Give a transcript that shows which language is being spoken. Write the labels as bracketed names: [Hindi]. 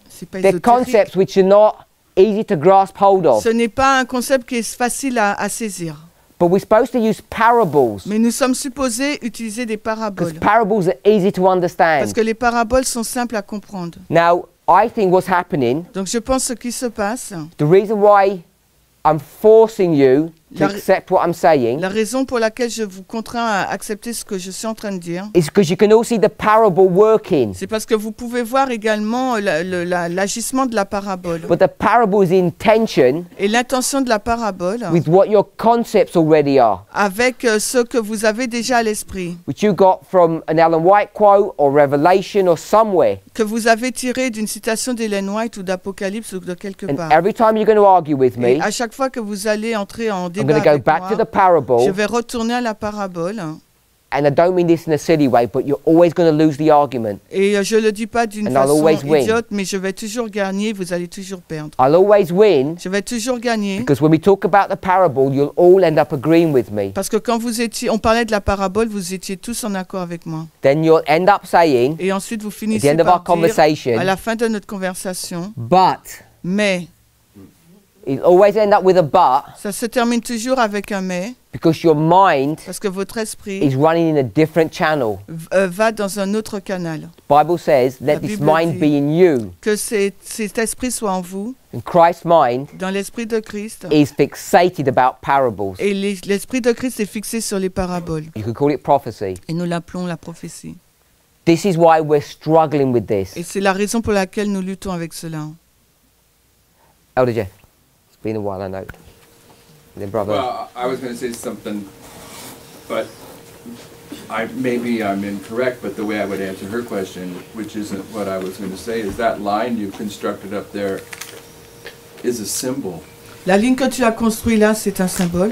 [English] They're concepts which are not easy to grasp hold of. [French] Ce n'est pas un concept qui est facile à saisir. [English] But we're supposed to use parables. [French] Mais nous sommes supposés utiliser des paraboles. [English] Because parables are easy to understand. [French] Parce que les paraboles sont simples à comprendre. [English] Now, I think what's happening. [French] Donc je pense ce qui se passe. [English] The reason why I'm forcing you. accept what I'm saying. [French] La raison pour laquelle je vous contrains à accepter ce que je suis en train de dire. [English] Is because you can all see the parable working. [French] C'est parce que vous pouvez voir également l'agissement de la parabole. [English] But the parable's intention. [French] Et l'intention de la parabole. [English] With what your concepts already are. [French] Avec ce que vous avez déjà à l'esprit. [English] Which you got from an Ellen White quote or Revelation or somewhere. [French] Que vous avez tiré d'une citation d'Ellen White ou d'Apocalypse ou de quelque [English] and [French] part. [English] Every time you're going to argue with me. [French] À chaque fois que vous allez entrer en [English] I'm going to go back to the parable. [French] Je vais retourner à la parabole. [English] And I don't mean this in a silly way, but you're always going to lose the argument. [French] Et je le dis pas d'une [English] and [French] façon idiote, mais je vais toujours gagner, vous allez toujours perdre. [English] I'll always win. [French] Je vais toujours gagner. [English] Because when we talk about the parable, you'll all end up agreeing with me. [French] Parce que quand vous étiez, on parlait de la parabole, vous étiez tous en accord avec moi. [English] Then you'll end up saying. [French] Et ensuite vous finissez par dire. [English] At the end of our conversation. [French] À la fin de notre conversation. [English] But. [French] Mais. [English] It always end up with a but. [French] Ça se termine toujours avec un mais. [English] Because your mind. [French] Parce que votre esprit. [English] Is running in a different channel. [French] Va dans un autre canal. [English] The Bible says, let this mind be in you. [French] Que cet esprit soit en vous. [English] And Christ's mind. [French] Dans l'esprit de Christ. [English] Is fixated about parables. [French] Et l'esprit de Christ est fixé sur les paraboles. [English] You could call it prophecy. [French] Et nous l'appelons la prophétie. [English] This is why we're struggling with this. [French] Et c'est la raison pour laquelle nous luttons avec cela. [English] Elder Jeff. Been a while, I know. And then brother. Well, I was going to say something, but maybe I'm incorrect. But the way I would answer her question, which isn't what I was going to say, is that line you've constructed up there is a symbol. [French] La ligne que tu as construit là, c'est un symbole.